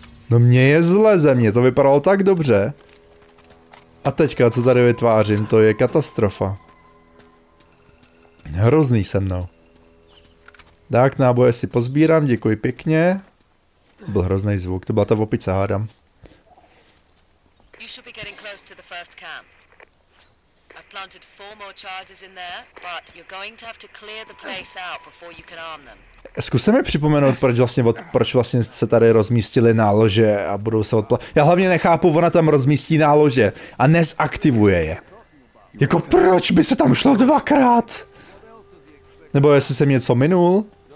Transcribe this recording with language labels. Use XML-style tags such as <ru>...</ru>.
<cs>No mě je zle ze mě, to vypadalo tak dobře. A teďka, co tady vytvářím, to je katastrofa. Hrozný se mnou. Tak, náboje si pozbírám, děkuji pěkně. To byl hrozný zvuk, to byla ta opice, hádám.</cs> <en>You should be getting close to the first camp. I've planted four more charges in there, but you're going to have to clear the place out before you can arm them.</en> <cs>Zkuste mi připomenout, proč vlastně se tady rozmístili nálože a budou se odpla... Já hlavně nechápu, ona tam rozmístí nálože a nezaktivuje je. Jako proč by se tam šlo dvakrát? Nebo jestli jsem něco minul?</cs>